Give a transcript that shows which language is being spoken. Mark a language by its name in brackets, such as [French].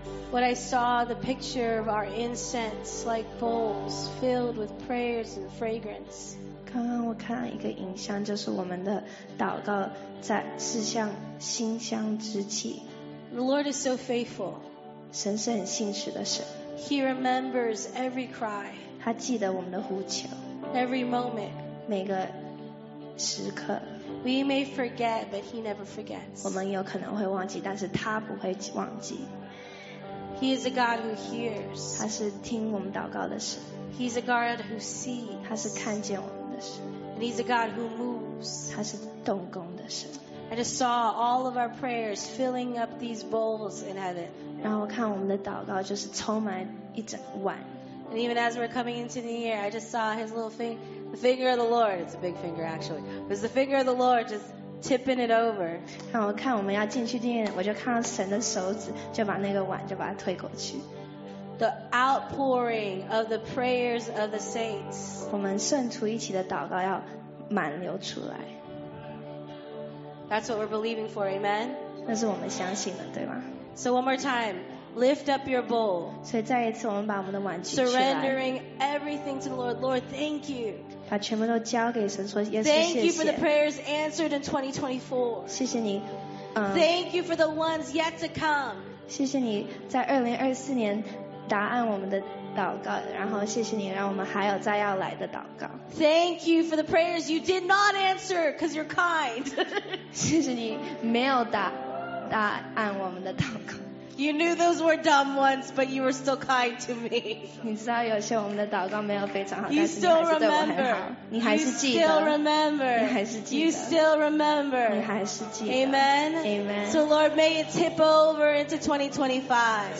[English] What I saw, the picture of our incense like bowls filled with prayers and fragrance. [Chinese] 刚刚我看到一个影像，就是我们的祷告在是像馨香之气。 [English] The Lord is so faithful. [Chinese] 神是很信实的神。 [English] He remembers every cry. [Chinese] 他记得我们的呼求。 [English] Every moment. [Chinese] 每个时刻。 [English] We may forget, but He never forgets. [Chinese] 我们有可能会忘记，但是他不会忘记。 [English] He is a God who hears. [Chinese] 他是听我们祷告的神。 [English] He's a God who sees. [Chinese] 他是看见我们的神。 [English] And he's a God who moves. [Chinese] 他是动工的神。 [English] I just saw all of our prayers filling up these bowls in heaven. [Chinese] 然后我看我们的祷告就是充满一整碗。 [English] And even as we're coming into the year, I just saw his little finger, the finger of the Lord. It's a big finger actually. It was the finger of the Lord just. Tipping it over. [Chinese] 然后看我们要进去店，我就看到神的手指就把那个碗就把它推过去。 [English] The outpouring of the prayers of the saints. [Chinese] 我们圣徒一起的祷告要满流出来。 [English] That's what we're believing for, amen. [Chinese] 那是我们相信的，对吗 [English] ？So one more time, lift up your bowl. [Chinese] 所以再一次，我们把我们的碗举起来。 [English] Surrendering everything to the Lord. Lord, thank you. [Chinese] 把全部都交给神，说 yes, [English] Thank [Chinese] 谢谢 [English] you for the prayers answered in 2024. [Chinese] 谢谢你、 [English] Thank you for the ones yet to come. [Chinese] 谢谢你在2024年答案我们的祷告，然后谢谢你让我们还有再要来的祷告。 [English] Thank you for the prayers you did not answer because you're kind. [Chinese] 谢谢你没有答案我们的祷告。 [English] You knew those were dumb ones, but you were still kind to me. You still remember. You still remember. You still remember. You still remember. Amen. Amen. So Lord, may it tip over into 2025.